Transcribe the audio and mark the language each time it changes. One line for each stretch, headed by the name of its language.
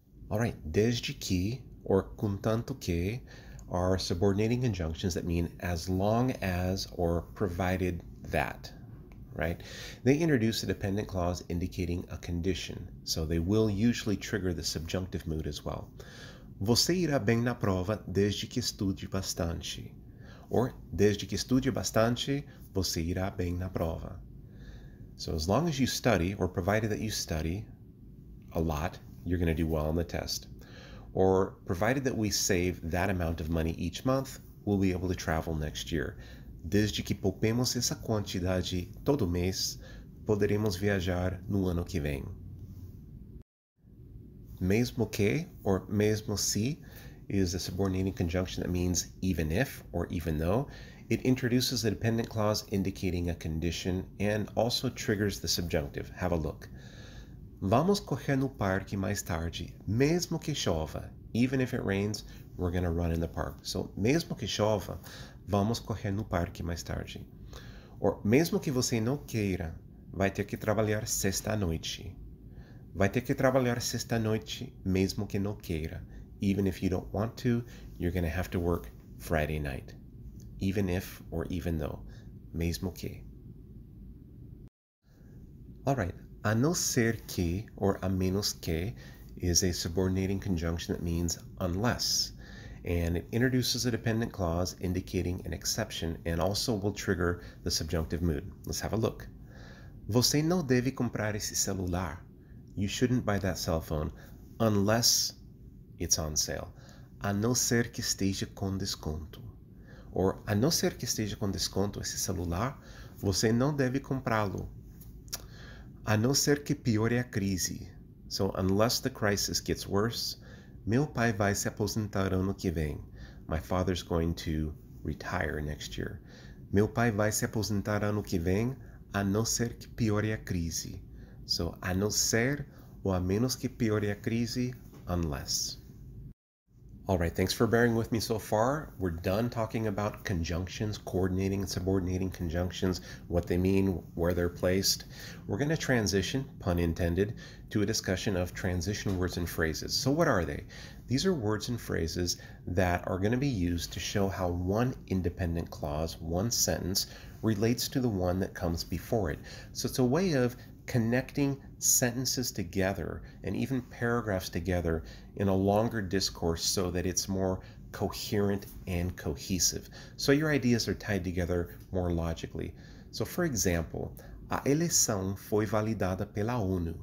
English: All right, desde que or contanto que are subordinating conjunctions that mean as long as or provided that, right? They introduce a dependent clause indicating a condition, so they will usually trigger the subjunctive mood as well.
Portuguese: Você irá bem na prova desde que estude bastante. Or, desde que estude bastante, você irá bem na prova.
English: So as long as you study, or provided that you study a lot, you're going to do well on the test. Or, provided that we save that amount of money each month, we'll be able to travel next year.
Portuguese: Desde que poupemos essa quantidade todo mês, poderemos viajar no ano que vem.
English: Mesmo que, or mesmo se, is a subordinating conjunction that means even if, or even though. It introduces a dependent clause indicating a condition and also triggers the subjunctive. Have a look.
Portuguese: Vamos correr no parque mais tarde, mesmo que chova.
English: Even if it rains, we're going to run in the park.
Portuguese: So, mesmo que chova, vamos correr no parque mais tarde. Or, mesmo que você não queira, vai ter que trabalhar sexta noite. Vai ter que trabalhar sexta noite, mesmo que não queira.
English: Even if you don't want to, you're going to have to work Friday night. Even if, or even though. Mesmo que. All right. A não ser que, or a menos que, is a subordinating conjunction that means unless. And it introduces a dependent clause indicating an exception and also will trigger the subjunctive mood. Let's have a look.
Portuguese: Você não deve comprar esse celular.
English: You shouldn't buy that cell phone unless it's on sale.
Portuguese: A não ser que esteja com desconto. Or, a não ser que esteja com desconto esse celular, você não deve comprá-lo. A não ser que piore a crise.
English: So, unless the crisis gets worse,
Portuguese: meu pai vai se aposentar ano que vem.
English: My father's going to retire next year.
Portuguese: Meu pai vai se aposentar ano que vem, a não ser que piore a crise. So, a não ser ou a menos que piore a crise, unless.
English: All right, thanks for bearing with me so far. We're done talking about conjunctions, coordinating and subordinating conjunctions, what they mean, where they're placed. We're going to transition, pun intended, to a discussion of transition words and phrases. So what are they? These are words and phrases that are going to be used to show how one independent clause, one sentence, relates to the one that comes before it. So it's a way of connecting sentences together and even paragraphs together in a longer discourse so that it's more coherent and cohesive. So your ideas are tied together more logically. So for example,
Portuguese: a eleição foi validada pela ONU.